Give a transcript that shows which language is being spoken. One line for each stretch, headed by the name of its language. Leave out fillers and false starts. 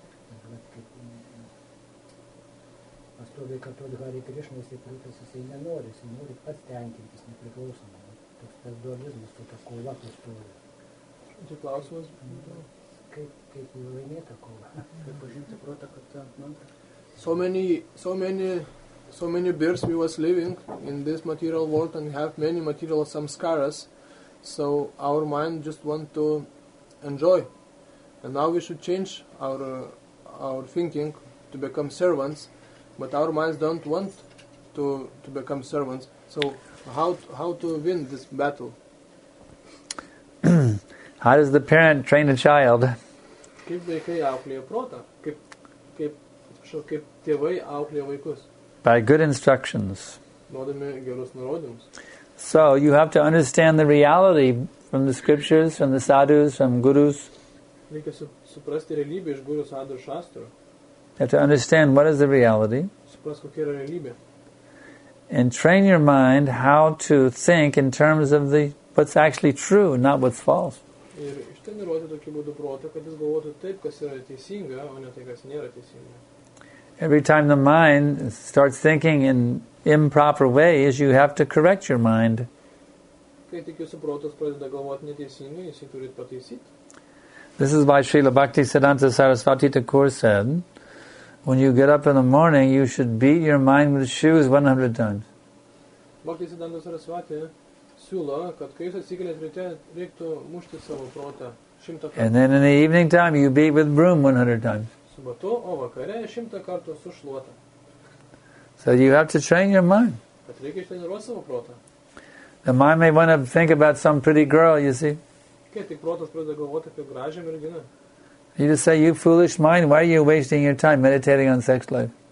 Lithuanian: Ir vat, kaip pastoviai kartuoti Hare Krišnos, jisai nenori, jisai nori patenkintis nepriklausomai. Vat, toks tas dualizmas, tokia kova pastovė. Čia klausimas. Kaip laimėta kova? Kaip pažinti protą, kad ta mantra?
English: So many birds we was living in this material world and have many material samskaras, so our mind just want to enjoy. And now we should change our thinking to become servants, but our minds don't want to become servants. So how to win this battle? How does the parent train a child?
Lithuanian: Kaip vaikai auklėja protą? Kaip tėvai auklėja vaikus?
English: By good instructions.
Lithuanian: Duodami gerus nurodymus.
English: So you have to understand the reality from the scriptures, from the sadhus, from gurus.
Lithuanian: Reikia suprasti realybę iš guru sadhu šastro.
English: You have to understand what is the reality.
Lithuanian: Suprask, kokia yra realybė.
English: And train your mind how to think in terms of the what's actually true, not what's false.
Lithuanian: Ir ištreniruoti tokiu būdu protą, kad jis galvotų taip, kas yra teisinga, o ne tai, kas nėra teisinga.
English: Every time the mind starts thinking in improper ways, you have to correct your mind.
Lithuanian: Kai tik jūsų protas pradeda galvoti neteisingai, jūs jį turite pataisyti.
English: This is why Srila Bhakti Siddhanta Sarasvati Thakur said, when you get up in the morning, you should beat your mind with shoes 100 times.
Lithuanian: Bhakti Siddhanta Sarasvati siūlo, kad kai jūs atsikeliat ryte, reiktų mušti savo protą 100 kartų.
English: And then in the evening time, you beat with broom 100 times.
Lithuanian: Su batu, o vakare 100 kartų su šluota.
English: So you have to train your mind.
Lithuanian: Kad reikia ištreniruoti savo protą.
English: The mind may want to think about some pretty girl, you see.
Lithuanian: Kai tik protas pradeda galvoti apie gražią merginą.
English: You just say, you foolish mind, why are you wasting your time meditating on sex life?